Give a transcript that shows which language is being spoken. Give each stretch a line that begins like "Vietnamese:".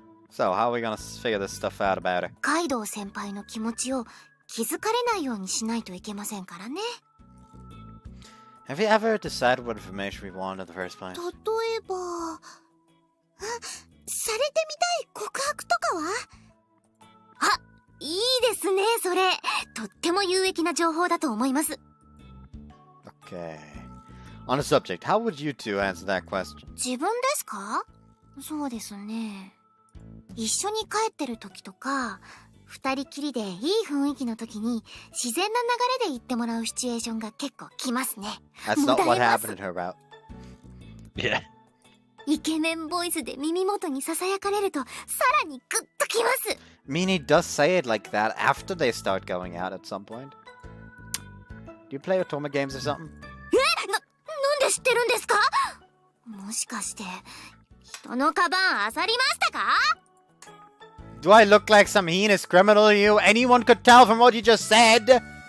English: So, how are we gonna figure this stuff out about her?
Japanese: カイドウ先輩の気持ちを気づかれないようにしないといけませんからね。
English: Have you ever decided what information we want in the first place?
Japanese: 例えば… されてみたい告白とかは? あ、いいですね、それ! とっても有益な情報だと思います。
English: Okay… On a subject, how would you two answer that question?
Japanese: 自分ですか? そうですね… 一緒に帰ってる時とか、二人きりでいい雰囲気の時に、自然な流れで言ってもらうシチュエーションが結構きますね。
English: That's not what happened in her route. Yeah.
Japanese: イケメンボイスで耳元にささやかれると、さらにグッときます!
English: I mean, he does say it like that after they start going out at some point. Do you play Otome games or something?
Japanese: え?なんで知ってるんですか?もしかして、人のカバンあさりましたか?
English: Do I look like some heinous criminal to you? Anyone could tell from what you just said.